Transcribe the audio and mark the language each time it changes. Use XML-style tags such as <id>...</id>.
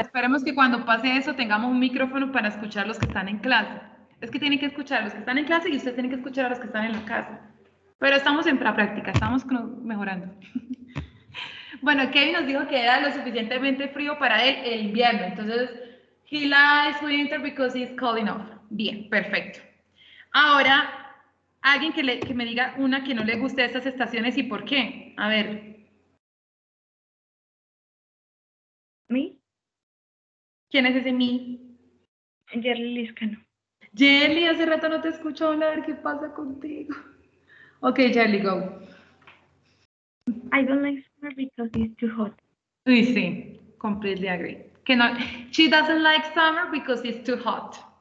<es>Esperemos que cuando pase eso tengamos un micrófono para escuchar los que están en clase. Es que tienen que escuchar a los que están en clase y ustedes tienen que escuchar a los que están en la casa. Pero estamos en práctica, estamos mejorando. Bueno, Kevin nos dijo que era lo suficientemente frío para él el invierno.</es> <en>Entonces, he likes winter because it's cold enough.</en> <es>Bien, perfecto. Ahora, alguien que me diga una que no le guste estas estaciones y por qué. A ver. ¿Mí? ¿Quién es ese mí? Yerly Liscano. Jelly, hace rato no te escucho hablar, ¿qué pasa contigo?</es> <en>Ok, Jelly, go. I don't like summer because it's too hot.</en> <es>Sí, sí,</es> <en>completely agree.</en> <es>Que no,</es> <en>she doesn't like summer because it's too hot.</en>